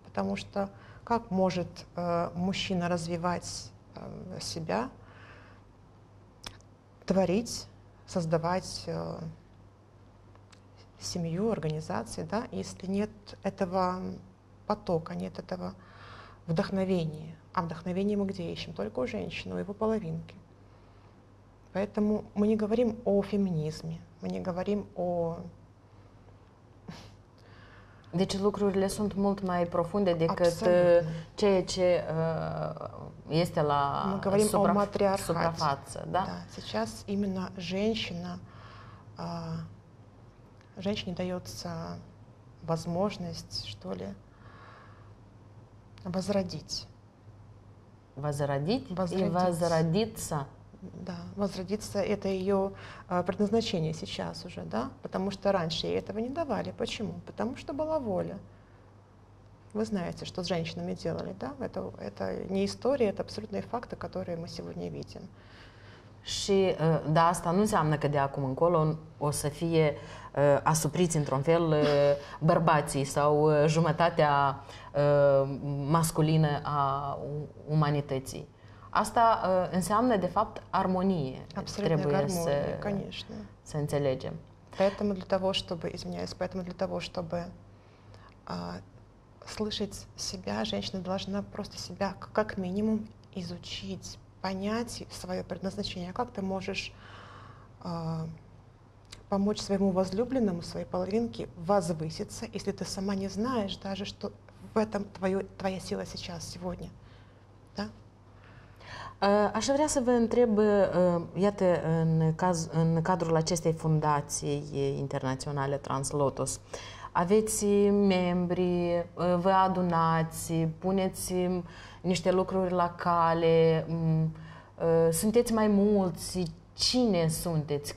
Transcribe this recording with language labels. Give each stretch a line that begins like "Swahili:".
Russian: Потому что как может мужчина развивать себя, творить, создавать семью, организации, да, если нет этого потока, нет этого вдохновение. А вдохновение мы где ищем? Только у женщины, у его половинки. Поэтому мы не говорим о феминизме, мы не говорим о...
Romanian: Deci lucrurile sunt mult mai profunde decât
English: Absolutely.
Romanian: Ceea ce este la
Russian: мы говорим о матриархате.
Romanian: Suprafață, да?
Russian: Да. Сейчас именно женщина, женщине дается возможность, что ли, возродиться. Да, возродиться — это ее предназначение сейчас уже, да? Потому что раньше ей этого не давали. Почему? Потому что была воля. Вы знаете, что с женщинами делали, да? Это не история, это абсолютные факты, которые мы сегодня видим.
Romanian: Și da, asta nu înseamnă că de acum încolo o să fie asupriți într-un fel bărbații sau jumătatea masculină a umanității. Asta înseamnă de fapt armonie. Absolut, trebuie armonie, să înțelegem.
Russian: Поэтому для того, чтобы, извиняюсь, поэтому для того, чтобы слышать себя, женщина должна просто себя как минимум изучить. Понять свое предназначение, как ты можешь помочь своему возлюбленному, своей половинке возвыситься, если ты сама не знаешь даже, что в этом твоя сила сейчас, сегодня. Да?
Romanian: Aș vrea să vă întreb, iată, în cadrul acestei fundații internaționale Translotus, aveți membri, vă adunați, puneți niște lucruri la cale, sunteți mai mulți, cine sunteți?